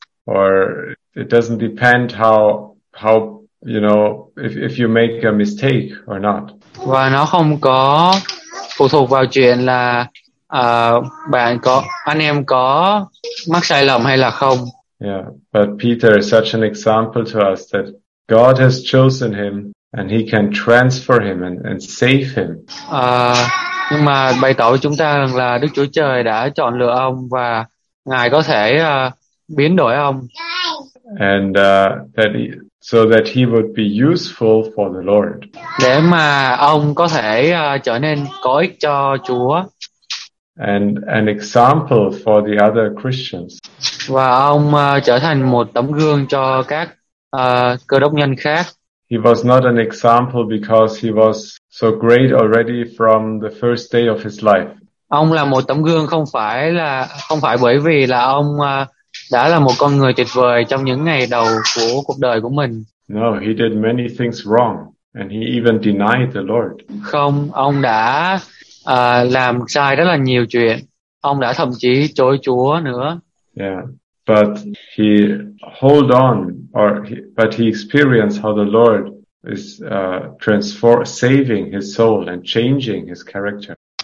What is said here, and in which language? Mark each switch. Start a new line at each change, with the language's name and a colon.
English: Or it doesn't depend how you know if you make a mistake or not.
Vietnamese: Và nó không có phụ thuộc vào chuyện là bạn có anh em có mắc sai lầm hay là không.
English: Yeah, but Peter is such an example to us that God has chosen him and he can transfer him and save him.
Vietnamese: Nhưng mà bày tỏ với chúng ta rằng là Đức Chúa Trời đã chọn lựa ông và Ngài có thể biến đổi ông.
English: And so that he would be useful for the Lord.
Vietnamese: Để mà ông có thể trở nên có ích cho Chúa.
English: And an example for the other Christians.
Vietnamese: Và ông trở thành một tấm gương cho các cơ đốc nhân khác.
English: He was not an example because he was so great already from the first day of his life.
Vietnamese: Ông là một tấm gương không phải bởi vì là ông đã là một con người tuyệt vời trong những ngày đầu của cuộc đời của mình.
English: No, he did many things wrong and he even denied the Lord.
Vietnamese: Không, ông đã làm sai rất là nhiều chuyện. Ông đã thậm chí chối Chúa nữa.
English: Yeah, but he hold on or he, but he experienced how the Lord is saving his soul and changing his character.